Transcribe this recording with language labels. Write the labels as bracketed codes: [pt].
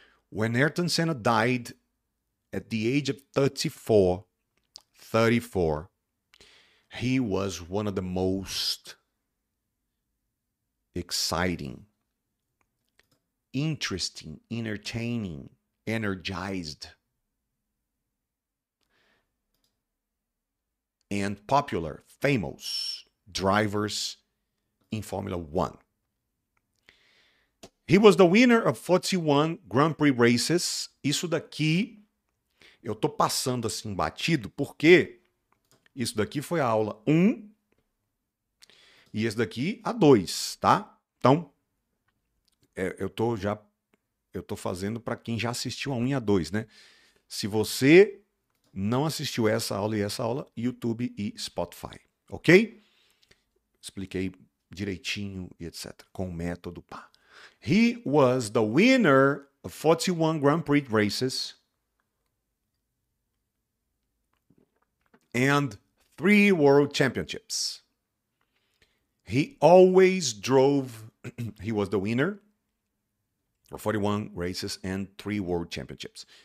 [en] When Ayrton Senna died at the age of 34, he was one of the most exciting, interesting, entertaining, energized, and popular, famous drivers in Formula One. He was the winner of 41 Grand Prix races. [pt] Isso daqui, eu tô passando assim batido, porque isso daqui foi a aula 1 e esse daqui a 2, tá? Então, eu tô fazendo para quem já assistiu a 1 e a 2, né? Se você não assistiu essa aula e essa aula, YouTube e Spotify, ok? Expliquei direitinho e etc. Com o método pá. [en] He was the winner of 41 Grand Prix races and 3 world championships. He always drove, he was the winner of 41 races and 3 world championships.